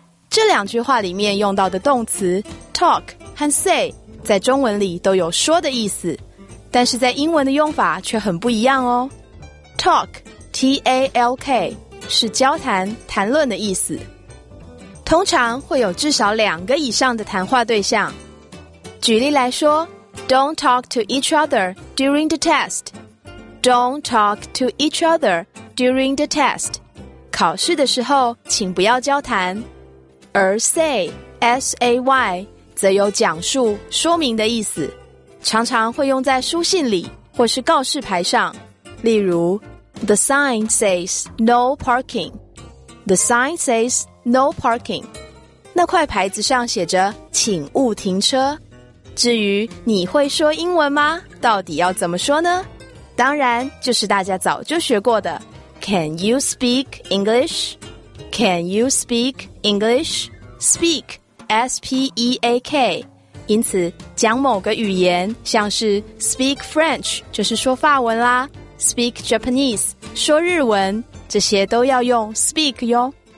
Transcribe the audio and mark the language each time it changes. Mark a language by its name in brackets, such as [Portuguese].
[Chinese] 这两句话里面用到的动词 talk 和 say在中文里都有说的意思，但是在英文的用法却很不一样哦。 Talk T-A-L-K 是交谈、谈论的意思，通常会有至少两个以上的谈话对象。举例来说， [English] Don't talk to each other during the test. Don't talk to each other during the test. [Chinese] 考试的时候请不要交谈。而 say S-A-Y则有讲述、说明的意思，常常会用在书信里或是告示牌上。例如 [English] The sign says no parking. The sign says no parking. [Chinese] 那块牌子上写着请勿停车。至于你会说英文吗？到底要怎么说呢？当然就是大家早就学过的 [English] Can you speak English? Can you speak English? [Chinese] Speak S-P-E-A-K, 因此讲某个语言，像是 [English] speak French [Chinese] 就是说法文啦， [English] speak Japanese [Chinese] 说日文，这些都要用 speak 哟。